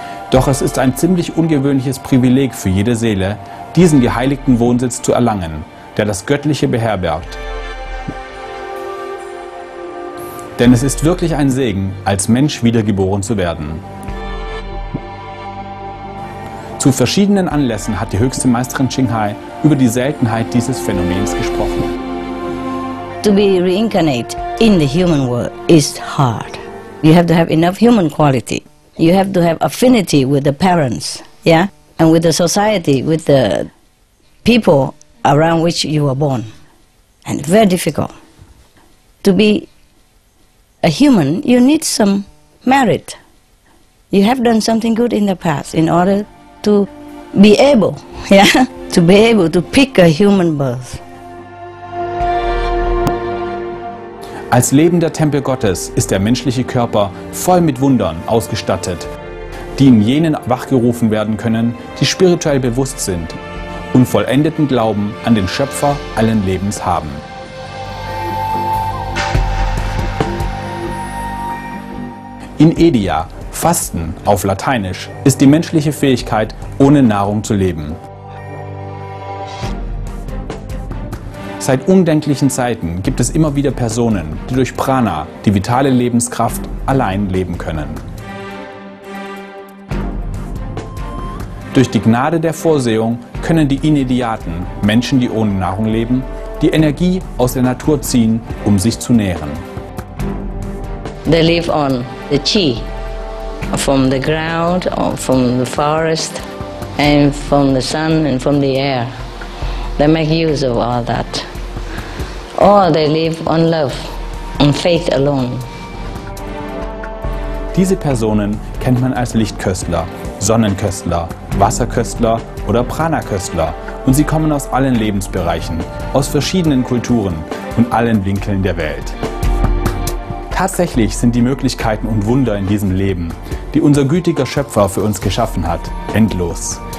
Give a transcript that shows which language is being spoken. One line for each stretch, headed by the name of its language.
German: Doch es ist ein ziemlich ungewöhnliches Privileg für jede Seele, diesen geheiligten Wohnsitz zu erlangen, der das Göttliche beherbergt. Denn es ist wirklich ein Segen, als Mensch wiedergeboren zu werden. Zu verschiedenen Anlässen hat die höchste Meisterin Qinghai über die Seltenheit dieses Phänomens gesprochen.
English: To be reincarnated in the human world is hard. You have to have enough human quality. You have to have affinity with the parents, yeah? And with the society, with the people around which you were born. And very difficult. To be a human, you need some merit. You have done something good in the past in order to be able, yeah? To be able to pick a human birth.
German: Als lebender Tempel Gottes ist der menschliche Körper voll mit Wundern ausgestattet, die in jenen wachgerufen werden können, die spirituell bewusst sind und vollendeten Glauben an den Schöpfer allen Lebens haben. In Edia, Fasten auf Lateinisch, ist die menschliche Fähigkeit, ohne Nahrung zu leben. Seit undenklichen Zeiten gibt es immer wieder Personen, die durch Prana, die vitale Lebenskraft, allein leben können. Durch die Gnade der Vorsehung können die Inediaten, Menschen, die ohne Nahrung leben, die Energie aus der Natur ziehen, um sich zu nähren.
English: They live on the chi, from the ground, from the forest, and from the sun and from the air. They make use of all that. Or they live on love, on faith alone.
German: Diese Personen kennt man als Lichtköstler, Sonnenköstler, Wasserköstler oder Prana-Köstler. Und sie kommen aus allen Lebensbereichen, aus verschiedenen Kulturen und allen Winkeln der Welt. Tatsächlich sind die Möglichkeiten und Wunder in diesem Leben, die unser gütiger Schöpfer für uns geschaffen hat, endlos.